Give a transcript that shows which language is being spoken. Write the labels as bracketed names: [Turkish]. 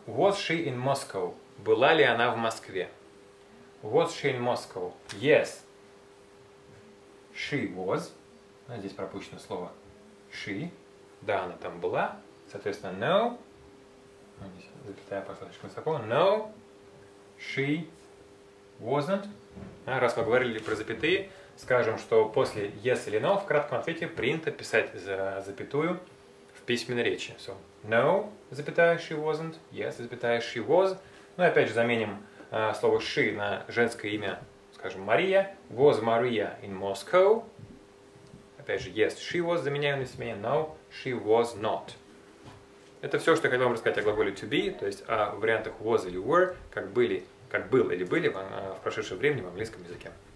[English] Was she in Moscow? [Russian] Была ли она в Москве? [English] Was she in Moscow? Yes. She was. [Russian] Здесь пропущено слово. [English] She. [Russian] Да, она там была. Соответственно, no. Запятая пошла слишком высоко. [English] No, she wasn't. [Russian] Раз мы говорили про запятые, скажем, что после yes или no в кратком ответе принято писать за запятую в письменной речи. [English] So, no, запятая, she wasn't. Yes, запятая, she was. [Russian] Ну и опять же заменим слово she на женское имя, скажем, Мария. [English] Was Maria in Moscow? [Russian] Опять же, [English] yes, she was, [Russian] заменяю на семье. [English] No, she was not. [Russian] Это все, что я хотел вам рассказать о глаголе to be, то есть о вариантах was или were, как были, как был или были в прошедшем времени в английском языке.